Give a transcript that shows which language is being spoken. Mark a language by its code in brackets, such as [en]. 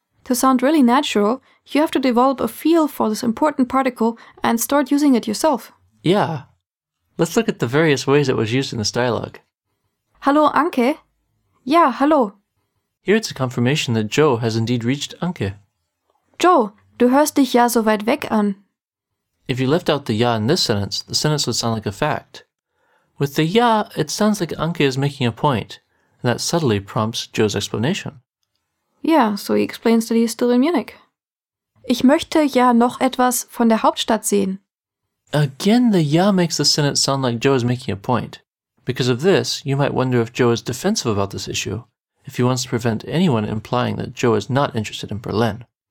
[en] To sound really natural, you have to develop a feel for this important particle and start using it yourself. Yeah. Let's look at the various ways it was used in this dialogue. [de] Hallo, Anke? Ja, hallo. [en] Here it's a confirmation that Joe has indeed reached Anke. [de] Joe, du hörst dich ja so weit weg an. [en] If you left out the ja in this sentence, the sentence would sound like a fact. With the ja, it sounds like Anke is making a point, and that subtly prompts Joe's explanation. Yeah, so he explains that he is still in Munich. [de] Ich möchte ja noch etwas von der Hauptstadt sehen. [en] Again, the ja makes the sentence sound like Joe is making a point. Because of this, you might wonder if Joe is defensive about this issue, if he wants to prevent anyone implying that Joe is not interested in Berlin.